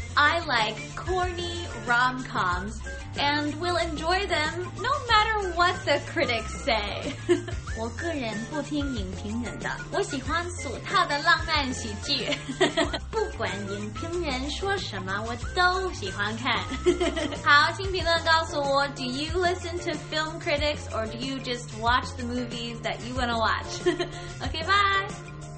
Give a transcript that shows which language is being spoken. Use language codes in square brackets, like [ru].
[en] I like corny rom-coms and will enjoy them no matter what the critics say. [zh] 我个人不听影评人的，我喜欢俗套的浪漫喜剧。不管影评人说什么，我都喜欢看。好，请评论告诉我 [en] ，Do you listen to film critics or do you just watch the movies that you want to watch? Okay, bye.